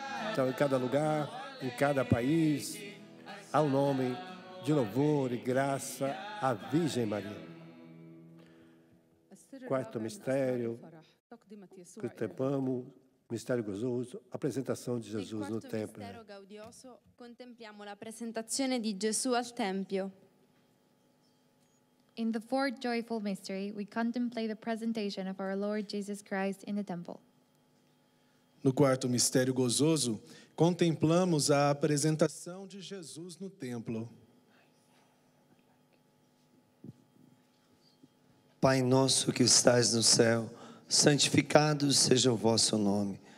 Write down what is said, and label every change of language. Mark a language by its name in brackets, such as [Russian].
[Portuguese] Então, em cada lugar, em cada país, há um nome de louvor e graça à Virgem Maria. Quarto mistério, contemplamos o mistério gozoso, a apresentação de Jesus no templo. Quarto mistério gaudioso, contemplamos a apresentação de Jesus ao templo. [English] In the fourth joyful mystery, we contemplate the presentation of our Lord Jesus Christ in the temple. [Portuguese] No quarto mistério gozoso, contemplamos a apresentação de Jesus no templo. Pai nosso que estás no céu, santificado seja o vosso nome.